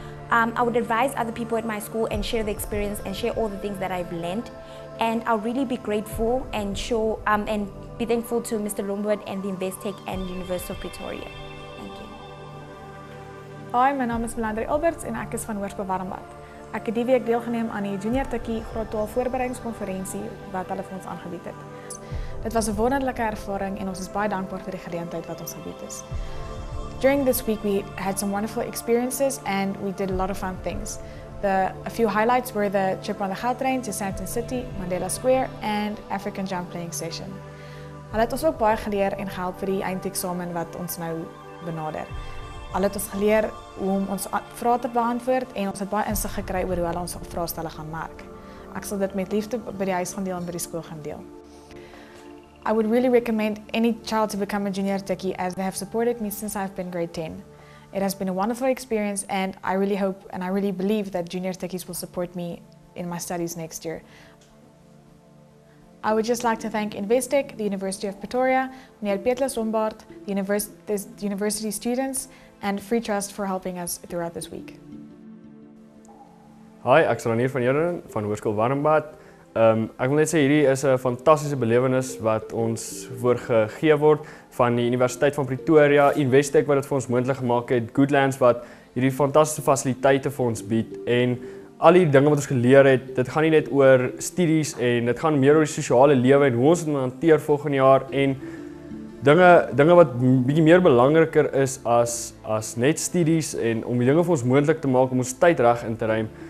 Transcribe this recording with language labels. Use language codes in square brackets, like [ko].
[en] I would advise other people at my school and share the experience and share all the things that I've learned. And I'll really be grateful and show and be thankful to Mr. Lombard and the Investec and University of Pretoria. Thank you. Hi, my name is Melandre Alberts and I'm from Hoërskool Warmbad. [af] Ek het die week deelgeneem aan die Juniortukkie Graad 12 voorbereidingskonferensie wat hulle vir ons aangebied het. Dit was 'n wonderlike ervaring en ons is baie dankbaar vir die geleentheid wat ons gebied is. [en] During this week we had some wonderful experiences and we did a lot of fun things. A few highlights were the trip on the Gautrain to Sandton City, Mandela Square and African Jump Playing Session. [af] Hulle het ons ook baie geleer en gehelp vir die eindeksamen wat ons nou benader. Hulle het ons geleer hoe om ons vrae te beantwoord en ons het baie insig gekry oor hoe hulle ons vraestelle gaan maak. Ek sal dit met liefde by die huis gaan deel en by die skool gaan deel. [en] I would really recommend any child to become a junior techie as they have supported me since I've been grade 10. It has been a wonderful experience and I really hope and I really believe that junior techies will support me in my studies next year. I would just like to thank Investec, the University of Pretoria, Meneer Petlas Lombard, the university students, and Free Trust for helping us throughout this week. [af] Hi, ek's Ranier van Jeren van Hoërskool Warmbad. Ek wil net sê hierdie is 'n fantastiese belewenis wat ons voorgegee word van die Universiteit van Pretoria, Investec wat dit vir ons moontlik gemaak het, Goodlands wat hierdie fantastiese fasiliteite vir ons bied en al die dinge wat ons geleer het, dit gaan nie net oor studies en dit gaan meer oor die sosiale lewe en hoe ons dit hanteer volgende jaar en dinge wat bietjie meer belangriker is as net studies en om die dinge vir ons moontlik te maak om ons tyd reg in te ruim.